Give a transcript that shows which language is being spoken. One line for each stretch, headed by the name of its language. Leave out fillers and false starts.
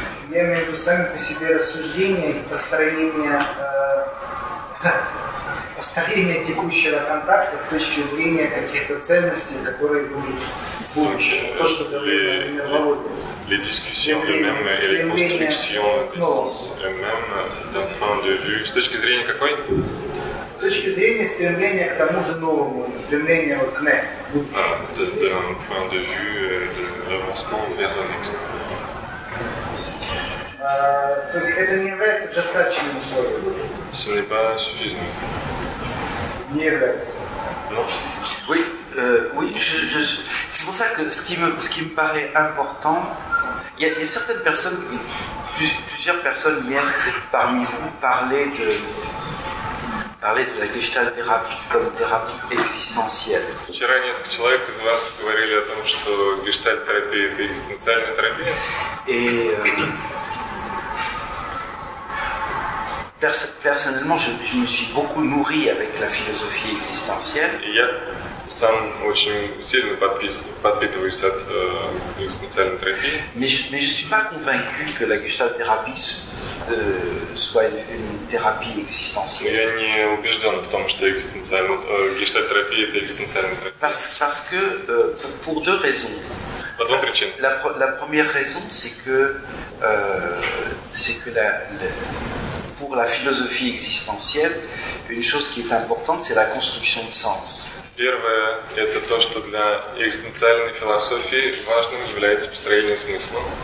Russian: Я имею в виду сами по себе рассуждения и построение текущего контакта с точки зрения каких-то ценностей, которые будут в будущем. То, что ты говоришь, например, Володя.
French: Les discussions elles-mêmes et les constructions elles-mêmes, d'un point de vue,
Russian: с точки зрения какой? С точки зрения стремления к тому же новому, стремления к next.
French: D'un point de vue de l'avancement vers le next.
Russian: То есть это не является достаточным условием?
French: Ce n'est pas suffisant.
Russian: Не является.
French: Non. Oui, c'est pour ça que ce qui me paraît important. Il y a certaines personnes, plusieurs personnes hier parmi vous parlaient de la gestalt-thérapie comme thérapie existentielle.
Russian: Вчера несколько человек из вас говорили о том, что гештальт-терапия — это экзистенциальная терапия.
French: Personnellement, je me suis beaucoup nourri avec la philosophie existentielle.
Russian: Сам очень сильно подпитываюсь от экзистенциальной терапии.
French: Mais je suis pas convaincu que la gestalt-thérapie soit une thérapie existentielle.
Russian: Я не убежден в том, что гештальт-терапия — это экзистенциальная терапия.
French: Parce que pour deux raisons.
Russian: По двум причинам.
French: La première raison, c'est que la pour la philosophie existentielle, une chose qui est importante, c'est la construction de sens.
Russian: Первое, это то, что для экзистенциальной философии важным является построение смысла.